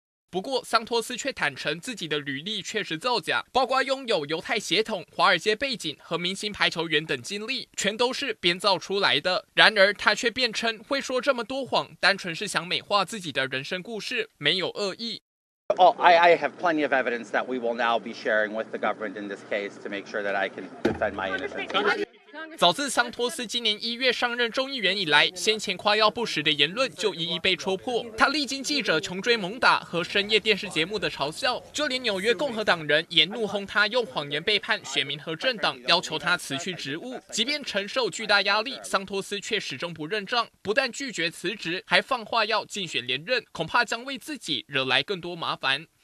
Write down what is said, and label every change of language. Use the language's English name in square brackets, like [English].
[Chinese] 不过桑托斯却坦承自己的履历确实造假，包括拥有犹太血统、华尔街背景和明星排球员等经历，全都是编造出来的。然而他却辩称会说这么多谎单纯是想美化自己的人生故事，没有恶意。 [English] I have plenty of evidence that we will now be sharing with the government in this case to make sure that I can defend my innocence. [Chinese] 早自桑托斯今年一月上任众议员以来，先前夸耀不实的言论就一一被戳破，他历经记者穷追猛打和深夜电视节目的嘲笑，就连纽约共和党人也怒轰他用谎言背叛选民和政党，要求他辞去职务。即便承受巨大压力，桑托斯却始终不认账，不但拒绝辞职，还放话要竞选连任，恐怕将为自己惹来更多麻烦。